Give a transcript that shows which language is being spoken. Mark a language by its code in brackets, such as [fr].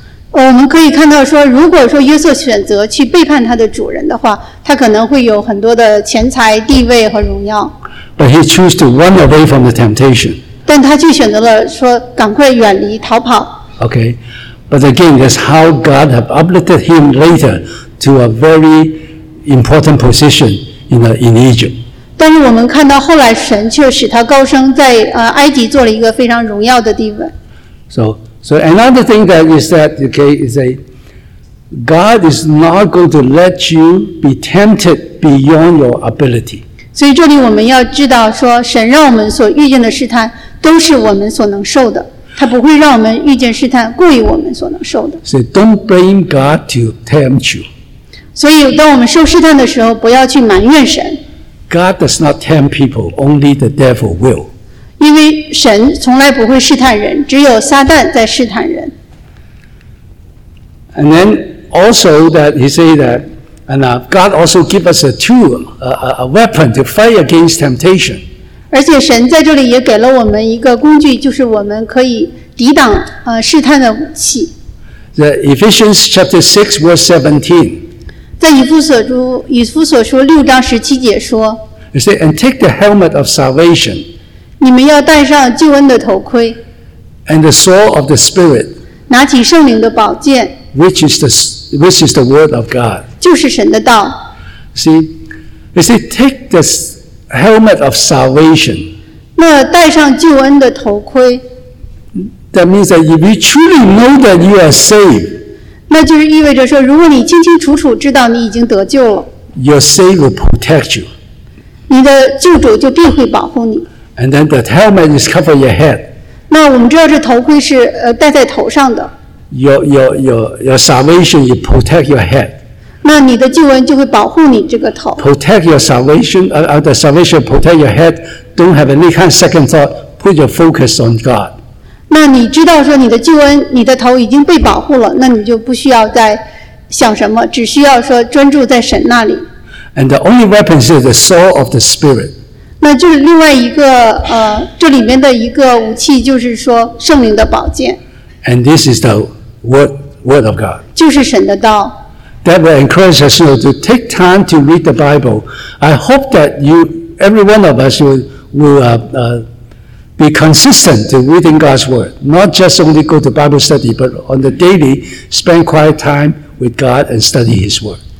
[zh] 我们可以看到说，如果说约瑟选择去背叛他的主人的话，他可能会有很多的钱财、地位和荣耀。 [en] But he chose to run away from the temptation. [zh] 但他却选择了说赶快远离逃跑。 [en] Okay, but again, that's how God have uplifted him later to a very important position in Egypt. [zh] 但是我们看到后来神却使他高升在埃及做了一个非常荣耀的地位。 [en] So another thing that is that, okay, is that God is not going to let you be tempted beyond your ability. [zh] 所以这里我们要知道说神让我们所遇见的试探都是我们所能受的。他不会让我们遇见试探过于我们所能受的。 [en] So don't blame God to tempt you. [zh] 所以当我们受试探的时候不要去埋怨神。 [en] God does not tempt people, only the devil will. [zh] 因为神从来不会试探人，只有撒旦在试探人。 [en] And then also that he say that, and God also give us a tool, a weapon to fight against temptation. [zh] 而且神在这里也给了我们一个工具，就是我们可以抵挡试探的武器。 [en] The Ephesians chapter 6 verse 17. [zh] 在以弗所书六章十七节说 [en] you say, and take the helmet of salvation, [zh] 你们要戴上救恩的头盔 [en] and the sword of the Spirit, [zh] 拿起圣灵的宝剑 [en] which is the word of God, [zh] 就是神的道 [en] see, you say, take the helmet of salvation, [zh] 那戴上救恩的头盔。 [en] That means that if you truly know that you are saved. [zh] 那就是意味着说，如果你清清楚楚知道你已经得救了。 [en] Your Savior will protect you. [zh] 你的救主就必会保护你。 [en] And then the helmet is cover your head. [zh] 那我们知道这头盔是戴在头上的。 [en] Your salvation will protect your head. [zh] 那你的救恩就会保护你这个头。 [en] Protect your salvation, the salvation protect your head. Don't have any kind of second thought. Put your focus on God. [zh] 那你知道说你的救恩，你的头已经被保护了，那你就不需要再想什么，只需要说专注在神那里。 [en] And the only weapon is the sword of the Spirit. [zh] 那就是另外一个这里面的一个武器就是说圣灵的宝剑。 [en] And this is the word of God. [zh] 就是神的道。 [en] That will encourage us to take time to read the Bible. I hope that every one of us will be consistent to reading God's word. Not just only go to Bible study, but on the daily, spend quiet time with God and study His word.